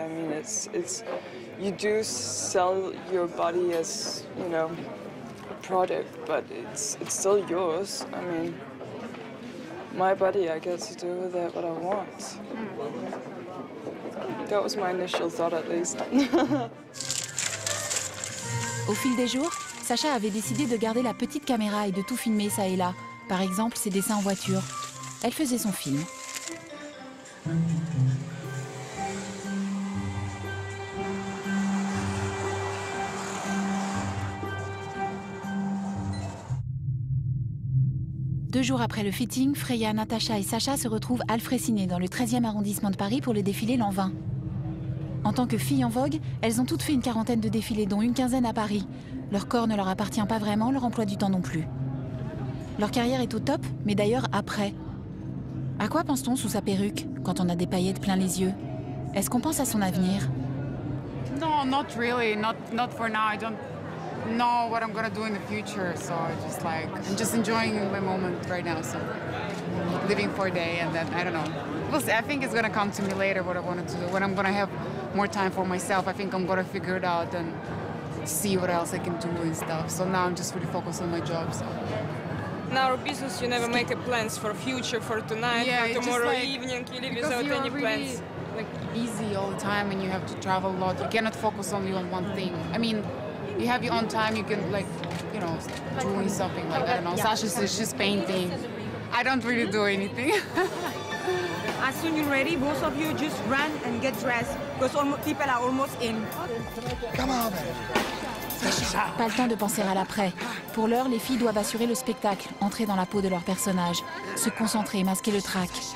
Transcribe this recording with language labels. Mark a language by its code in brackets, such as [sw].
[en] I mean, it's you do sell your body as, you know, a product, but it's still yours. I mean, my body, I get to do with it what I want. That was my initial thought, at least. [fr] Au fil des jours, Sacha avait décidé de garder la petite caméra et de tout filmer ça et là. Par exemple, ses dessins en voiture. Elle faisait son film. Deux jours après le fitting, Freya, Natacha et Sacha se retrouvent à Alfraissinet, dans le 13e arrondissement de Paris, pour le défilé L'An 20. En tant que filles en vogue, elles ont toutes fait une quarantaine de défilés, dont une quinzaine à Paris. Leur corps ne leur appartient pas vraiment, leur emploi du temps non plus. Leur carrière est au top, mais d'ailleurs après. À quoi pense-t-on sous sa perruque, quand on a des paillettes plein les yeux? Est-ce qu'on pense à son avenir? [en] Non, not really, not for now. I don't know what I'm gonna do in the future. So I'm just enjoying my moment right now. So living for a day, and then I don't know. We'll see. I think it's gonna come to me later what I wanted to do. When I'm gonna have more time for myself, I think I'm gonna figure it out and see what else I can do and stuff. So now I'm just really focused on my job. So. In our business, you never make a plans for future, for tonight, yeah, for tomorrow evening. You live without any plans. Like busy all the time, and you have to travel a lot. You cannot focus only on one thing. I mean, you have your own time. You can doing something like that. No, Sasha says she's painting. I don't really do anything. As soon as you're ready, both of you just run and get dressed because people are almost in. Come on, baby. [fr] Pas le temps de penser à l'après. Pour l'heure, les filles doivent assurer le spectacle, entrer dans la peau de leur personnage, se concentrer, masquer le trac.